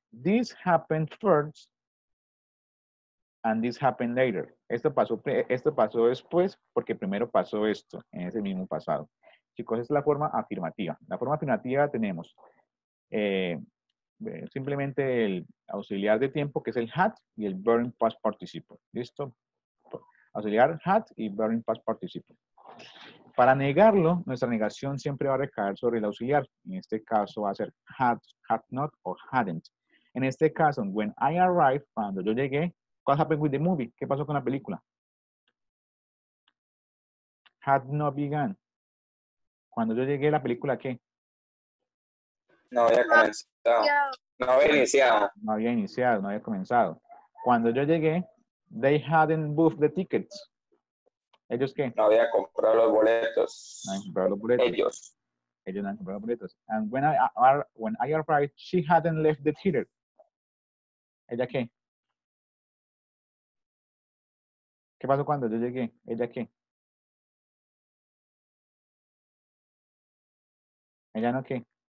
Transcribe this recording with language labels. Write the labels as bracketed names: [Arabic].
[English] this happened first and this happened later. [Spanish] Esto pasó después porque primero pasó esto en ese mismo pasado. Chicos, es la forma afirmativa. La forma afirmativa tenemos simplemente el auxiliar de tiempo, que es el had, y el verb past participle. ¿Listo? Auxiliar had y verb past participle. Para negarlo, nuestra negación siempre va a recaer sobre el auxiliar. En este caso va a ser had, had not, o hadn't. En este caso, [English] when I arrived, [Spanish] cuando yo llegué, [English] what happened with the movie? [Spanish] ¿Qué pasó con la película? [English] Had not begun. [Spanish] Cuando yo llegué a la película, ¿qué? No había comenzado. No había comenzado. Cuando yo llegué, [English] they hadn't booked the tickets. [Spanish] ¿Ellos qué? No había comprado los boletos. No habían comprado los boletos. Ellos no habían comprado los boletos. [English] And when I arrived, she hadn't left the theater. [Spanish] ¿Ella qué? ¿Qué pasó cuando yo llegué? ¿Ella qué? ¿Ella no qué?